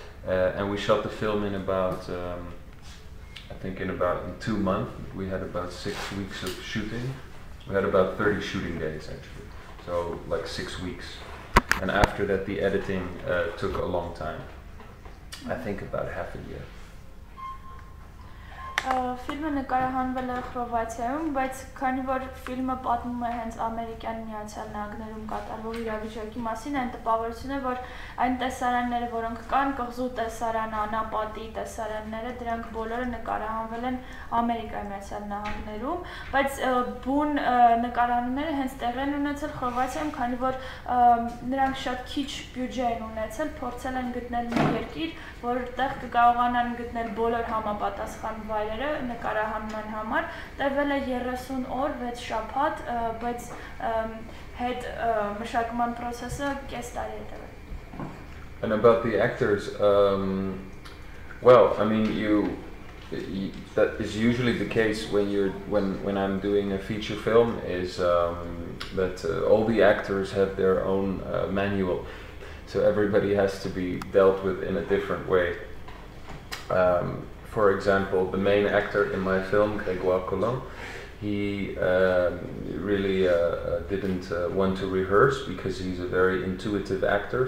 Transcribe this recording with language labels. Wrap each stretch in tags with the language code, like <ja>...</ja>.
<en>And we shot the film in about, I think in about 2 months, we had about 6 weeks of shooting. We had about 30 shooting days, actually, so like 6 weeks. And after that, the editing took a long time. I think about half a year.</en> <hy>Filme նկարահանվել են Խորվաթիայում, բայց քանի որ ֆիլմը պատմում է հենց ամերիկյան միացյալ նահանգներում կատարվող իրավիճակի մասին, այն տպավորությունը, որ այն տեսարանները, որոնք կան, կղզու տեսարանը, անապատի տեսարանները, դրանք բոլորը նկարահանվել են ամերիկյան միացյալ նահանգներում, բայց բուն նկարահանումները հենց տեղ են ունեցել Խորվաթիայում, քանի որ նրանք շատ քիչ բյուջե են ունեցել, փորձել են գտնել մի երկիր, որտեղ կկարողանան գտնել բոլոր համապատասխան վայրերը նկարահանման համար, տևել է 30 օր, 6 շաբաթ, բայց հետ մշակման process-ը կես տարի է տևել։</hy> <en>And about the actors, well, I mean, that is usually the case when I'm doing a feature film, is that all the actors have their own manual. So everybody has to be dealt with in a different way. For example, the main actor in my film, Grégoire Colom, he really didn't want to rehearse because he's a very intuitive actor.</en>